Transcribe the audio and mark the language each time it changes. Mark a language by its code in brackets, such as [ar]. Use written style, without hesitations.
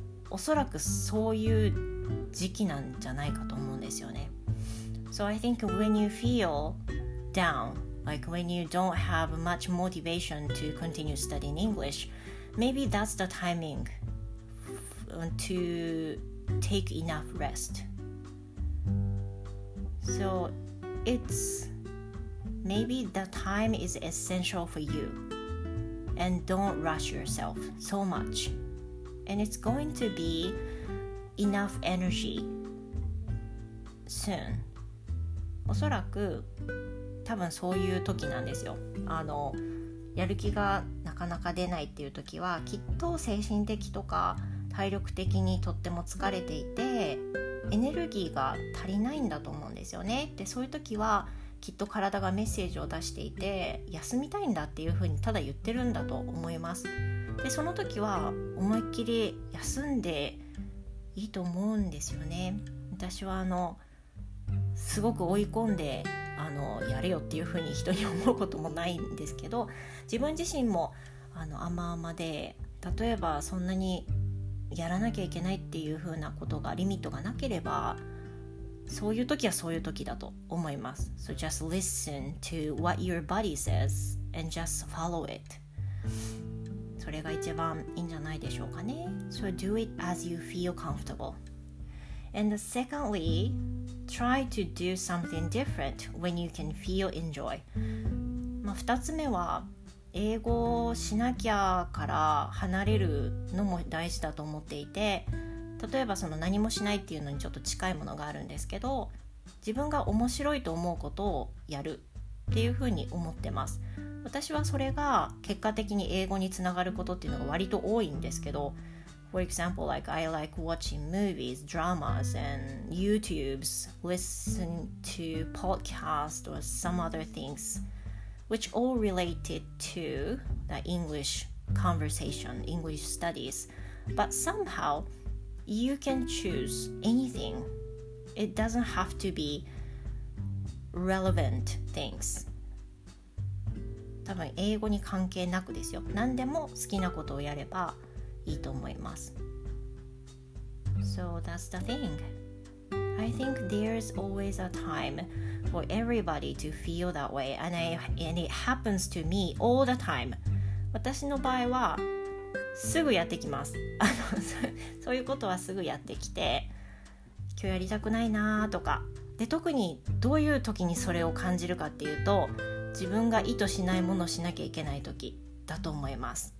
[ja] おそらくそういう時期なんじゃないかと思うんですよね。 [en] So I think when you feel down, like when you don't have much motivation to continue studying English, maybe that's the timing to take enough rest. So it's maybe the time is essential for you, and don't rush yourself so much. And it's going to be enough energy soon. [ja] おそらく多分そういう時なんですよ。やる気がなかなか出ないっていう時はきっと精神的とか体力的にとっても疲れていてエネルギーが足りないんだと思うんですよね。で、そういう時はきっと体がメッセージを出していて休みたいんだっていうふうにただ言ってるんだと思います。で、その時は思いっきり休んでいいと思うんですよね。私はすごく追い込んでやれよっていうふうに人に思うこともないんですけど、自分自身も甘々で、例えばそんなにやらなきゃいけないっていうふうなことがリミットがなければ、そういう時はそういう時だと思います。 [en] So just listen to what your body says and just follow it. [ja] それが一番いいんじゃないでしょうかね。 [en] So do it as you feel comfortable. And secondly, try to do something different when you can feel enjoy. [ja] 二つ目は英語をしなきゃから離れるのも大事だと思っていて、例えばその何もしないっていうのにちょっと近いものがあるんですけど、自分が面白いと思うことをやるっていうふうに思ってます。私はそれが結果的に英語につながることっていうのが割と多いんですけど、 [en] For example, like I like watching movies, dramas and YouTubes, listen to podcasts or some other things which all related to the English conversation, English studies, but somehowYou can choose anything. It doesn't have to be relevant things. [ja] 多分英語に関係なくですよ。何でも好きなことをやればいいと思います。 [en] So that's the thing. I think there's always a time for everybody to feel that way, and it happens to me all the time. [ja] 私の場合はすぐやってきますそういうことはすぐやってきて、今日やりたくないなとか、で特にどういう時にそれを感じるかっていうと、自分が意図しないものをしなきゃいけない時だと思います。